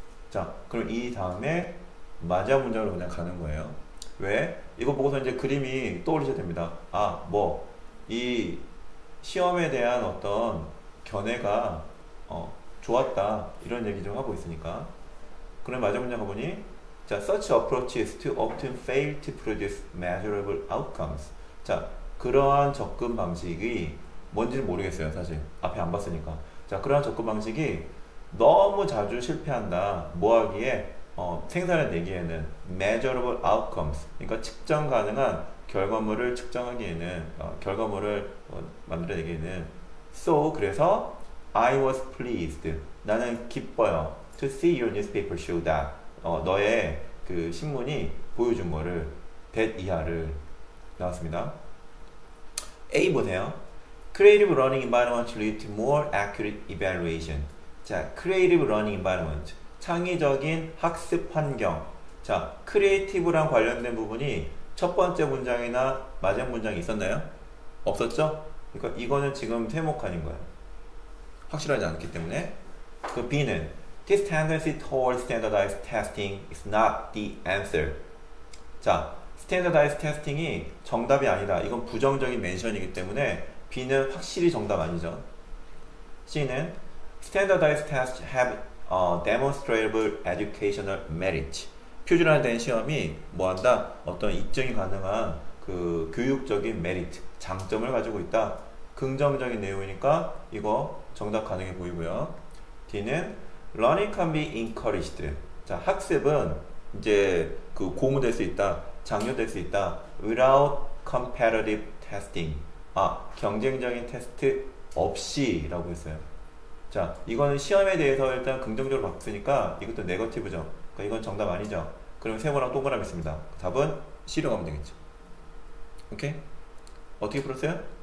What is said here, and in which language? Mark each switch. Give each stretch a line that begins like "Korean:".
Korean: 자, 그럼 이 다음에 마지막 문장으로 그냥 가는 거예요. 왜? 이거 보고서 이제 그림이 떠오르셔야 됩니다. 아, 뭐, 이 시험에 대한 어떤 견해가 좋았다. 이런 얘기 좀 하고 있으니까.
English: 그럼 마지막 문장 가보니, 자, such approaches too often fail to produce measurable outcomes.
Korean: 자, 그러한 접근 방식이 뭔지는 모르겠어요, 사실. 앞에 안 봤으니까. 자, 그러한 접근 방식이 너무 자주 실패한다. 뭐 하기에? 생산을 내기에는
English: measurable outcomes,
Korean: 그러니까 측정 가능한 결과물을 측정하기에는, 결과물을 만들어내기에는,
English: so,
Korean: 그래서
English: I was pleased,
Korean: 나는 기뻐요,
English: to see your newspaper show that,
Korean: 너의 그 신문이 보여준 거를, that 이하를 나왔습니다. A 보세요.
English: Creative learning environment lead to more accurate evaluation. 자, creative learning environment.
Korean: 창의적인 학습 환경. 자, 크리에이티브랑 관련된 부분이 첫 번째 문장이나 마지막 문장이 있었나요? 없었죠? 그러니까 이거는 지금 세모칸인 거예요. 확실하지 않기 때문에. 그 B는
English: This tendency towards standardized testing is not the answer.
Korean: 자, standardized testing이 정답이 아니다. 이건 부정적인 멘션이기 때문에 B는 확실히 정답 아니죠.
English: C는 standardized tests have demonstrable educational merit.
Korean: 표준화된 시험이 뭐 한다? 어떤 입증이 가능한 그 교육적인 메리트, 장점을 가지고 있다. 긍정적인 내용이니까 이거 정답 가능해 보이고요. D는 learning can be encouraged. 자, 학습은 이제 그 고무될 수 있다, 장려될 수 있다.
English: Without competitive testing.
Korean: 아, 경쟁적인 테스트 없이라고 했어요. 자, 이거는 시험에 대해서 일단 긍정적으로 봤으니까 이것도 네거티브죠. 그러니까 이건 정답 아니죠. 그럼 세모랑 동그라미 있습니다. 답은 C로 가면 되겠죠. 오케이? 어떻게 풀었어요?